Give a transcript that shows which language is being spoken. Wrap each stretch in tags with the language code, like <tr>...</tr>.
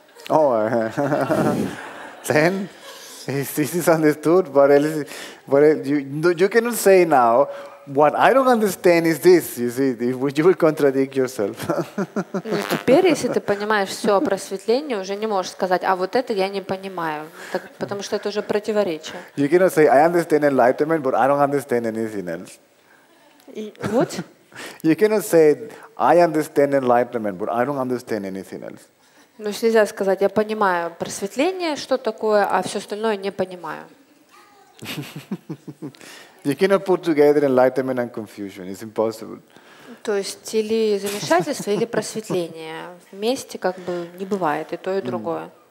<en>Oh, then this is understood. But else, you cannot say now. What I don't understand is this. You see, you will contradict yourself.</en> <ru>Теперь, если ты понимаешь все о просветлении, уже не можешь сказать: а вот это я не понимаю, потому что это уже противоречие.</ru> <en>You cannot say I understand enlightenment, but I don't understand anything else. What? You cannot say I understand enlightenment, but I don't understand anything else.</en> <ru>Ну, нельзя сказать, я понимаю просветление, что такое, а все остальное не понимаю.</ru> <en>You cannot put together enlightenment and confusion. It's impossible.</en> <ru>То есть или замешательство, или просветление вместе как бы не бывает, и то и другое.</ru>